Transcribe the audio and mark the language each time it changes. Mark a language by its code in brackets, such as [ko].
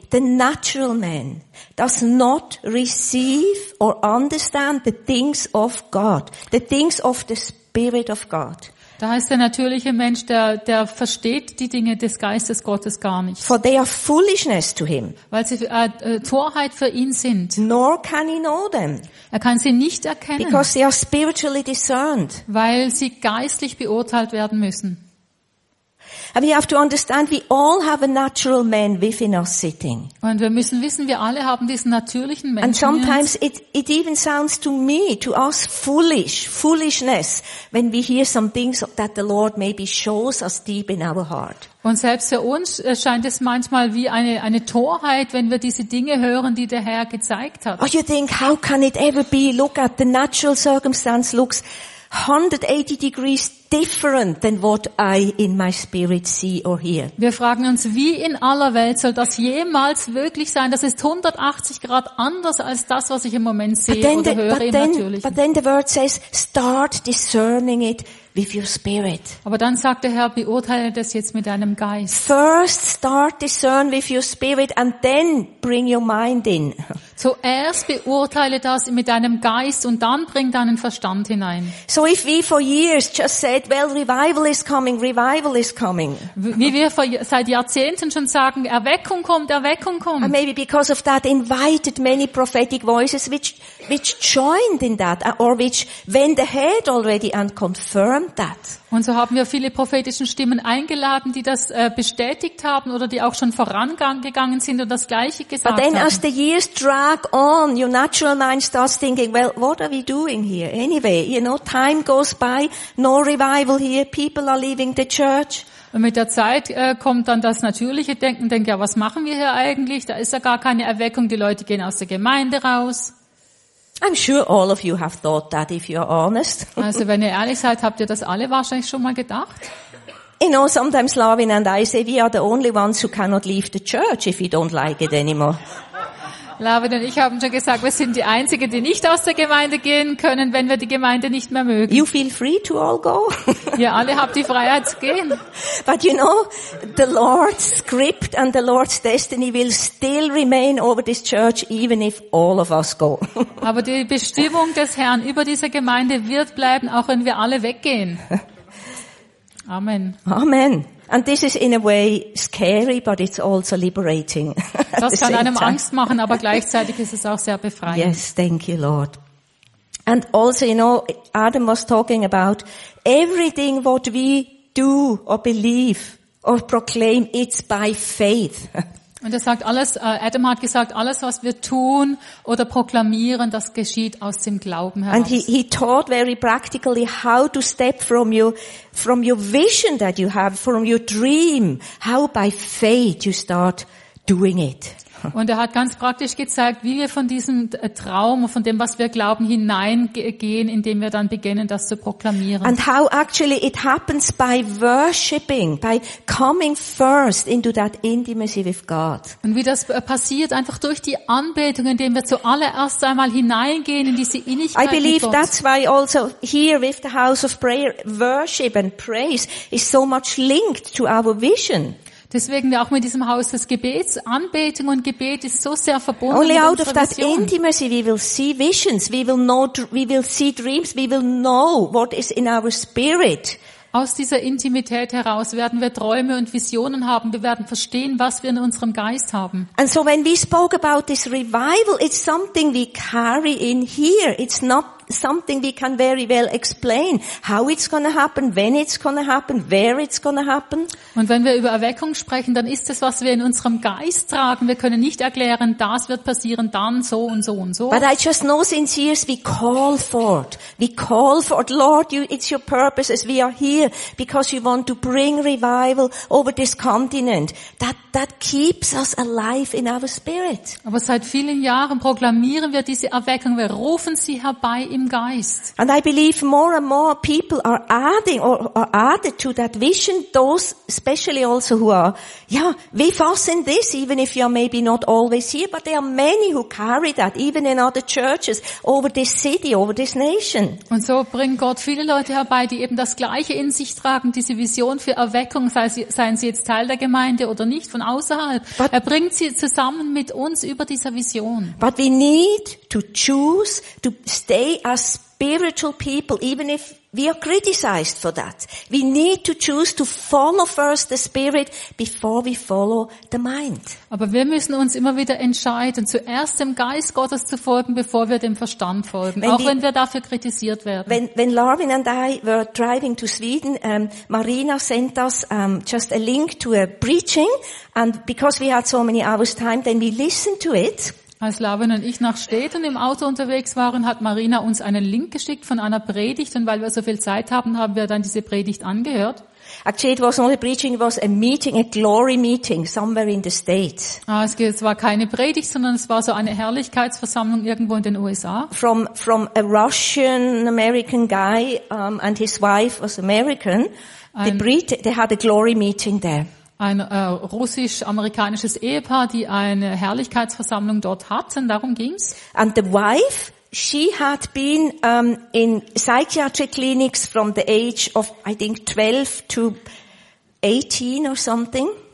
[en] The natural man does not receive or understand the things of God, the things of the Spirit of God. [de] Da heißt, der natürliche Mensch, der versteht die Dinge des Geistes Gottes gar nicht. [en] For they are foolishness to him. [de] Weil sie Torheit für ihn sind. [en] Nor can he know them. [de] Er kann sie nicht erkennen. [en] Because they are spiritually discerned. [de] Weil sie geistlich beurteilt werden müssen. [en] And we have to understand, we all have a natural man within us sitting. [de] Und wir müssen wissen, wir alle haben diesen natürlichen Menschen. [en] And sometimes it even sounds to us foolishness when we hear some things that the Lord maybe shows us deep in our heart. [de] Und selbst für uns erscheint es manchmal wie eine Torheit, wenn wir diese Dinge hören, die der Herr gezeigt hat. [en] Oh, you think, how can it ever be? Look at the natural circumstance, looks 180 degrees different than what I in my spirit see or hear. [de] Wir fragen uns, wie in aller Welt soll das jemals wirklich sein? Das ist 180 Grad anders als das, was ich im Moment sehe oder höre natürlich. [en] But then the word says, start discerning it with your spirit. [de] Aber dann sagt der Herr, beurteile das jetzt mit deinem Geist. [en] First start discern with your spirit and then bring your mind in. [de] Zuerst beurteile das mit deinem Geist und dann bring deinen Verstand hinein. [en] So if we for years just said, well, revival is coming, revival is coming. [de] Wie wir seit Jahrzehnten schon sagen, Erweckung kommt, Erweckung kommt. [en] And maybe because of that invited many prophetic voices which joined in that or which went ahead already and confirmed that. [de] Und so haben wir viele prophetischen Stimmen eingeladen, die das bestätigt haben oder die auch schon vorangegangen sind und das Gleiche gesagt haben. [en] But then as the years drag on, your natural mind starts thinking, well, what are we doing here anyway? You know, time goes by, no revival here, people are leaving the church. [de] Und mit der Zeit kommt dann das natürliche Denken, denk, ja, was machen wir hier eigentlich? Da ist ja gar keine Erweckung, die Leute gehen aus der Gemeinde raus. [en] I'm sure all of you have thought that if you're honest. [de] Also, wenn ihr ehrlich seid, habt ihr das alle wahrscheinlich schon mal gedacht? [en] You know, sometimes Lavin and I say we are the only ones who cannot leave the church if we don't like it anymore. [de] Lavin und ich haben schon gesagt, wir sind die Einzigen, die nicht aus der Gemeinde gehen können, wenn wir die Gemeinde nicht mehr mögen. [en] You feel free to all go. [de] Ihr alle habt die Freiheit zu gehen. [en] But you know, the Lord's script and the Lord's destiny will still remain over this church, even if all of us go. [de] Aber die Bestimmung des Herrn über diese Gemeinde wird bleiben, auch wenn wir alle weggehen. [en] Amen. [de] Amen. [en] And this is in a way scary, but it's also liberating. [de] Das kann einem Angst machen, aber gleichzeitig ist es auch sehr befreiend. [en] Yes, thank you, Lord. And also, you know, Adam was talking about everything what we do or believe or proclaim, it's by faith. [de] Und er sagt alles, Adam hat gesagt, alles, was wir tun oder proklamieren, das geschieht aus dem Glauben heraus. [en] And he taught very practically how to step from your vision that you have, from your dream, how by faith you start doing it. [de] Und er hat ganz praktisch gezeigt, wie wir von diesem Traum, von dem, was wir glauben, hineingehen, indem wir dann beginnen, das zu proklamieren. [en] And how actually it happens by worshiping, by coming first into that intimacy with God. [de] Und wie das passiert, einfach durch die Anbetung, indem wir zuallererst einmal hineingehen in diese Innigkeit. [en] I believe that's why also here with the house of prayer, worship and praise is so much linked to our vision. [de] Deswegen auch mit diesem Haus des Gebets, Anbetung und Gebet ist so sehr verbunden. [en] Only out of that intimacy we will see visions, we will see dreams, we will know what is in our spirit. [de] Aus dieser Intimität heraus werden wir Träume und Visionen haben, wir werden verstehen, was wir in unserem Geist haben. [en] And so when we spoke about this revival, it's something we carry in here. It's not something we can very well explain how it's going to happen, when it's going to happen, where it's going to happen. [de] Und wenn wir über Erweckung sprechen, dann ist es, was wir in unserem Geist tragen. Wir können nicht erklären, das wird passieren, dann so und so und so. [en] But I just know since years we call for it. Lord, it's your purpose as we are here because you want to bring revival over this continent. That keeps us alive in our spirit. [de] Aber seit vielen Jahren proklamieren wir diese Erweckung. Wir rufen sie herbei im Geist. [en] And I believe more and more people are adding or are added to that vision, those especially also who are, yeah, with us in this, even if you're maybe not always here, but there are many who carry that, even in other churches, over this city, over this nation. [de] Und so bringt Gott viele Leute herbei, die eben das Gleiche in sich tragen, diese Vision für Erweckung, seien sie jetzt Teil der Gemeinde oder nicht, von außerhalb. But, er bringt sie zusammen mit uns über dieser Vision. [en] But we need to choose to stay as spiritual people, even if we are criticized for that. We need to choose to follow first the spirit before we follow the mind. [de] Aber wir müssen uns immer wieder entscheiden, zuerst dem Geist Gottes zu folgen, bevor wir dem Verstand folgen, wenn wir dafür kritisiert werden. [en] When Larvin and I were driving to Sweden, Marina sent us just a link to a preaching, and because we had so many hours time, then we listened to it. [de] Als Lavin und ich nach Städten im Auto unterwegs waren, hat Marina uns einen Link geschickt von einer Predigt und weil wir so viel Zeit haben, haben wir dann diese Predigt angehört. [en] Actually, it was not a preaching, it was a meeting, a glory meeting, somewhere in the States. [de] Ah, es war keine Predigt, sondern es war so eine Herrlichkeitsversammlung irgendwo in den USA. [en] From a Russian-American guy, and his wife was American. They had a glory meeting there. [de] Ein russisch-amerikanisches Ehepaar, die eine Herrlichkeitsversammlung dort hatten, darum ging's. [en] And the wife, she had been in psychiatric clinics from the age of, I think, 12 to 18 or something.